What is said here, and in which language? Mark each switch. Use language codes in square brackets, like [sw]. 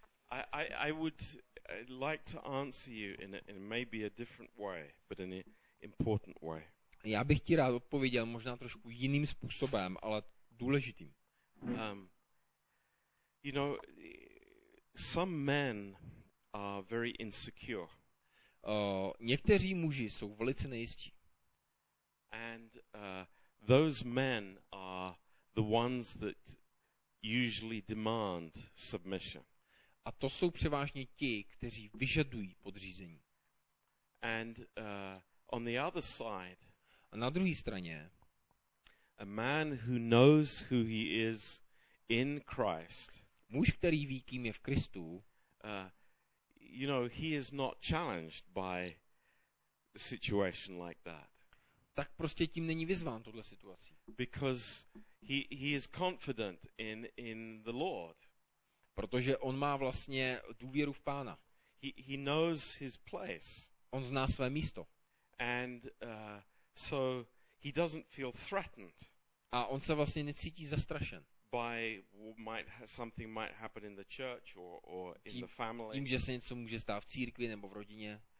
[en] I would like to answer you in maybe a different way, but in an important way. [cs] Já bych ti rád odpověděl možná trošku jiným způsobem, ale důležitým. [en] You know, some men are very insecure. [cs] Někteří muži jsou velice nejistí. [en] And those men are the ones that usually demand submission. [cs] A to jsou převážně ti, kteří vyžadují podřízení. [en] And on the other side, [cs] a na druhé straně, [en] a man who knows who he is in Christ, [cs] muž, který ví, kým je v Kristu, [en] you know, he is not challenged by a situation like that. [cs] Tak prostě tím není vyzván tuhle situaci. [en] Because he is confident in the Lord. [cs] Protože on má vlastně důvěru v Pána. [en] He knows his place. [cs] On zná své místo. [en] And so he doesn't feel threatened. [cs] A on se vlastně necítí zastrašen. [en] By might something might happen in the church or in the family. [cs] Tím, že se něco může stát v církvi nebo v rodině.